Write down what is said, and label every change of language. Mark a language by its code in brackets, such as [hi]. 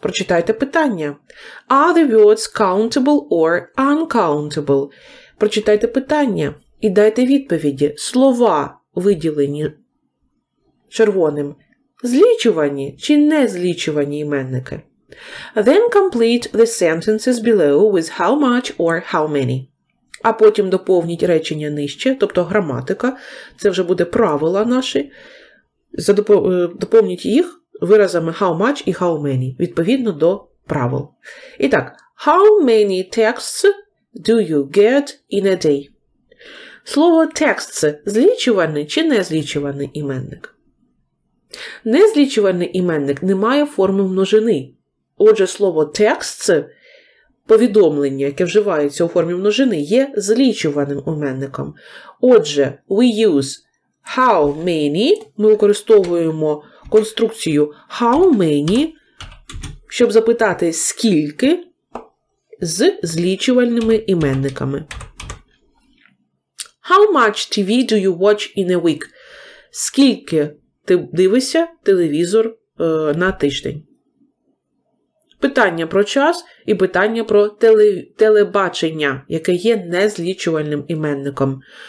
[uk] Прочитайте питання. [en] Are the words countable or uncountable? [uk] Прочитайте питання і дайте відповіді. Слова виділені червоним. Злічувані чи не злічувані іменники? [en] Then complete the sentences below with how much or how many. [uk] А потім доповніть речення нижче, тобто граматика, це вже буде правила наші, доповніть їх виразами how much і how many, відповідно до правил. І так, [en] how many texts do you get in a day? [uk] Слово texts – злічуваний чи незлічуваний іменник? Незлічуваний іменник не має форми множини. Отже, слово texts – повідомлення, яке вживається у формі множини, є злічуваним іменником. Отже, [en] we use how many, [uk] ми використовуємо конструкцію how many, щоб запитати скільки з злічувальними іменниками. [en] How much TV do you watch in a week? [uk] Скільки ти дивишся телевізор на тиждень? Питання про час і питання про телебачення, яке є незлічувальним іменником.